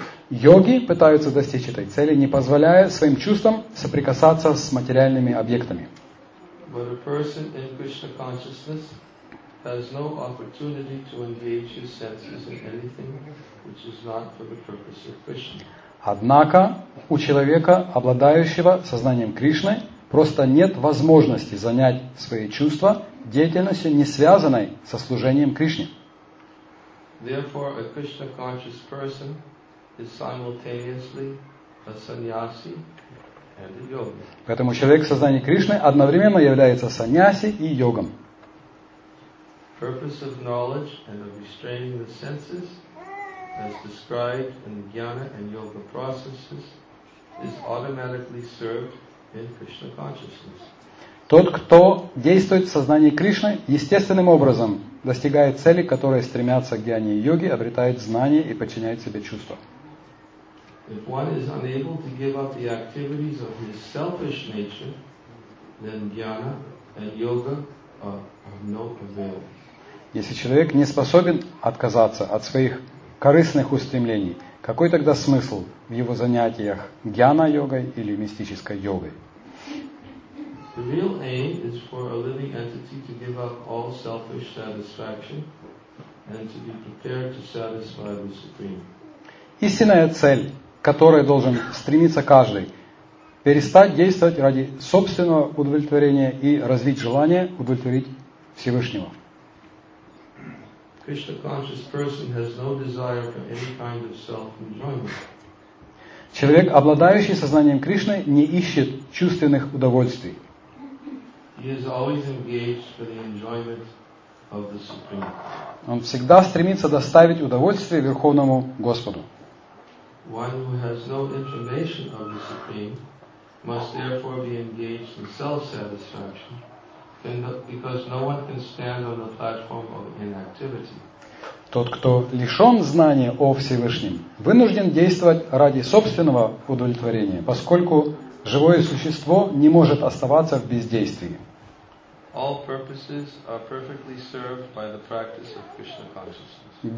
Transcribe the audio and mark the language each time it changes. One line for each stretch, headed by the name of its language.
Russian: Йоги пытаются достичь этой цели, не позволяя своим чувствам соприкасаться с материальными объектами.
English: But a person in Krishna consciousness has no opportunity to engage his senses in anything which is not for the purpose of Krishna.
Russian: Однако у человека, обладающего сознанием Кришны, просто нет возможности занять свои чувства деятельностью, не связанной со служением Кришне.
English: Therefore, a Krishna-conscious person is simultaneously a sannyasi and a yogi.
Russian: Поэтому человек в сознании Кришны одновременно является саньяси и йогом.
English: Purpose of knowledge and of restraining the senses, as described in the jnana and yoga processes, is automatically served in Krishna consciousness.
Russian: Тот, кто действует в сознании Кришны, естественным образом достигает цели, которые стремятся к джняне и йоге, обретает знание и подчиняет себе чувства.
English: If one is unable to give up the activities of his selfish nature, then jnana and yoga are no avail.
Russian: Если человек не способен отказаться от своих корыстных устремлений, какой тогда смысл в его занятиях джняна-йогой или мистической йогой?
English: The real aim is for a living entity to give up all selfish satisfaction and to be prepared to satisfy the Supreme.
Russian: Истинная цель, к которой должен стремиться каждый, перестать действовать ради собственного удовлетворения и развить желание удовлетворить Всевышнего.
English: Krishna-conscious person has no desire for any kind of self-enjoyment.
Russian: Человек, обладающий сознанием Кришны, не ищет чувственных удовольствий.
English: He is always engaged for the enjoyment of the Supreme.
Russian: Он всегда стремится доставить удовольствие Верховному Господу.
English: One who has no information of the Supreme must therefore be engaged in self-satisfaction, because no one can stand on the platform of inactivity.
Russian: Тот, кто лишен знания о Всевышнем, вынужден действовать ради собственного удовлетворения, поскольку живое существо не может оставаться в бездействии.
English: All purposes are perfectly served by the practice of Krishna consciousness.